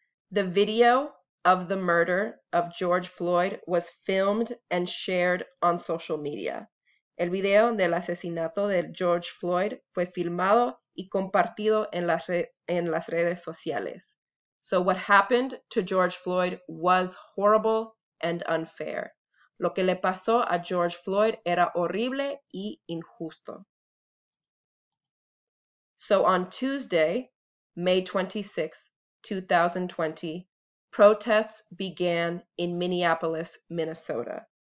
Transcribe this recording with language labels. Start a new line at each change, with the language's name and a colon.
English: The video of the murder of George Floyd was filmed and shared on social media.
Spanish: El video del asesinato de George Floyd fue filmado y compartido en las redes sociales.
English: So what happened to George Floyd was horrible and unfair.
Spanish: Lo que le pasó a George Floyd era horrible y injusto.
English: So on Tuesday, May 26, 2020, protests began in Minneapolis, Minnesota.